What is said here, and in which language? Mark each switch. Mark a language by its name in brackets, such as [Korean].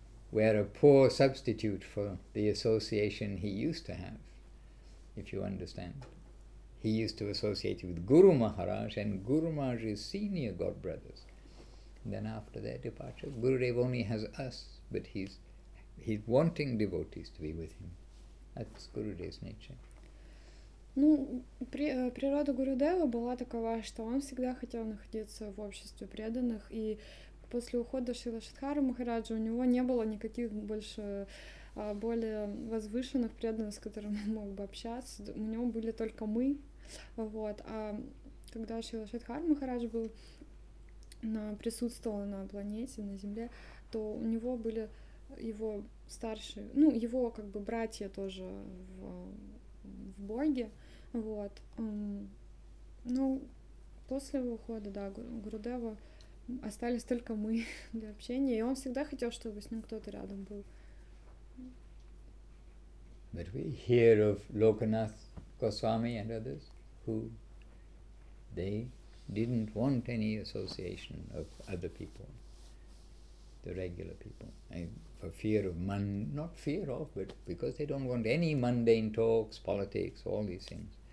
[English] We are a poor substitute for the association he used to have, if you understand. He used to associate with Guru Maharaj, and Guru Maharaj's senior god brothers. And then after their departure, Gurudev only has us, but he's wanting devotees to be with him. That's Gurudev's nature. [Russian] Ну, природа Гурудева была такова, что он всегда хотел находиться в обществе преданных, и после ухода Шрила Шридхара Махараджа у него не было никаких больше более возвышенных преданных, с которыми он мог бы общаться. У него были только мы. Вот. А когда Шрила Шридхара Махарадж присутствовал на планете, на Земле, то у него были его старшие, ну, его как бы братья тоже в Борге, вот. Ну, после его ухода, да, Гурудева остались только мы для общения, и он всегда хотел, чтобы с ним кто-то рядом был. [English] But we hear of Lokanath Goswami and others who they didn't want any association of other people, the regular people. For fear of but because they don't want any mundane talks, politics, all these things.